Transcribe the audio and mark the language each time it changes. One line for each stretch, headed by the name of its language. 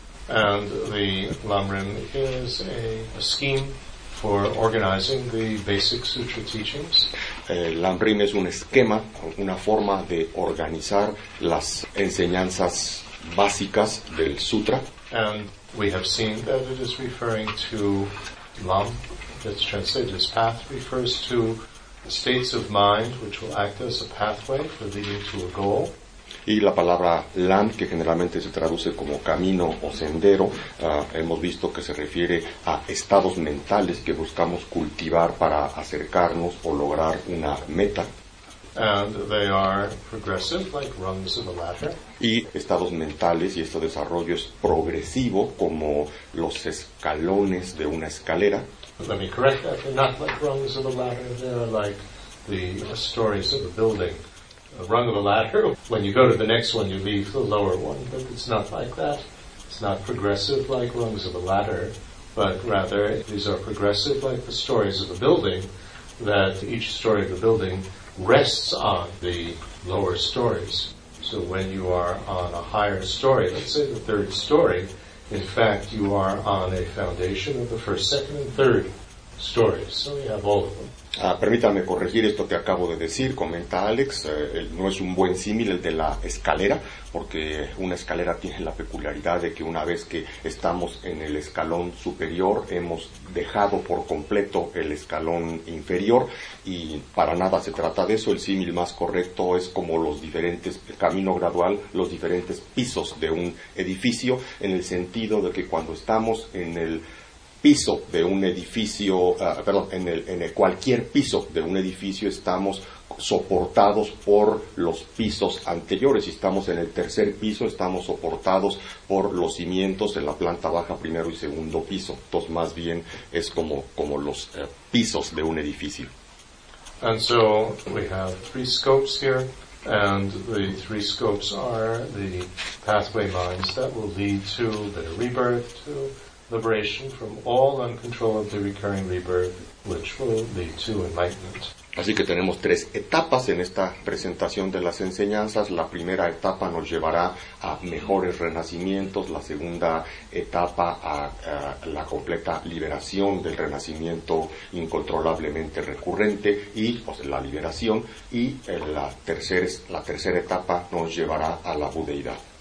English: And the lam-rim is a scheme for organizing the basic sutra teachings.
Spanish: El lam-rim es un esquema, una forma de organizar las enseñanzas básicas del sutra.
English: And we have seen that it is referring to lam. It's translated as path, refers to states of mind which will act as a pathway for leading to a goal.
Spanish: Y la palabra lam, que generalmente se traduce como camino o sendero, hemos visto que se refiere a estados mentales que buscamos cultivar para acercarnos o lograr una meta.
English: And they are progressive, like rungs of a ladder.
Spanish: Y estados mentales, y este desarrollo es progresivo, como los escalones de una escalera.
English: But let me correct that. They're not like rungs of a ladder. They're like the stories of a building. A rung of a ladder, when you go to the next one, you leave the lower one. But it's not like that. It's not progressive like rungs of a ladder. But rather, these are progressive like the stories of a building, that each story of the building rests on the lower stories. So when you are on a higher story, let's say the third story, in fact, you are on a foundation of the first, second, and third stories. So you have all of them.
Spanish: Permítame corregir esto que acabo de decir, comenta Alex, no es un buen símil el de la escalera, porque una escalera tiene la peculiaridad de que una vez que estamos en el escalón superior, hemos dejado por completo el escalón inferior, y para nada se trata de eso. El símil más correcto es como los diferentes, el camino gradual, los diferentes pisos de un edificio, en el sentido de que cuando estamos en el piso de un edificio, cualquier piso de un edificio, estamos soportados por los pisos anteriores. Si estamos en el tercer piso, estamos soportados por los cimientos en la planta baja, primero y segundo piso. Entonces, más bien es como los pisos de un edificio.
English: And so we have three scopes here, and the three scopes are the pathway lines that will lead to the rebirth, to liberation from all uncontrollably recurring rebirth, which will lead to enlightenment.
Spanish: Así que tenemos tres etapas en esta presentación de las enseñanzas. La primera etapa nos llevará a mejores renacimientos, la segunda etapa a la completa liberación del renacimiento incontrolablemente recurrente, y pues, la liberación, y la tercera etapa nos llevará a la budeidad.